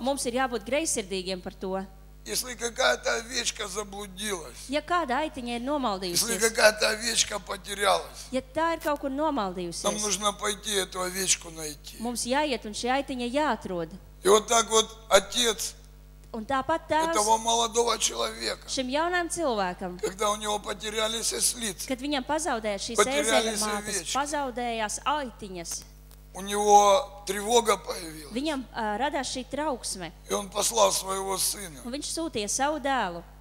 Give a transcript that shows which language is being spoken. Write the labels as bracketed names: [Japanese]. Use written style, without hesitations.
[Latvian] mums ir jābūt greizsirdīgiem par to, [Russian] Если какая-то овечка заблудилась. [Latvian] Ja kāda aitiņa ir nomaldījusies. [Russian] Если какая-то овечка потерялась. [Latvian] Ja tā ir kaut kur nomaldījusies. [Russian] Нам нужно пойти эту овечку найти. [Latvian] Mums jāiet un šī aitiņa jāatrod. [Russian] И вот так вот отец. [Latvian] Un tāpat tās, [Russian] этого молодого человека. [Latvian] Šim jaunajam cilvēkam. [Russian] Когда у него потерялись ослицы. [Latvian] Kad viņam pazaudēja šīs ezeļas mātes, pazaudējās aitiņas. [Russian] У него тревога появилась. [Latvian] Viņam radās šī trauksme. [Russian] И он послал своего сына. [Latvian] Un viņš sūtīja savu dēlu.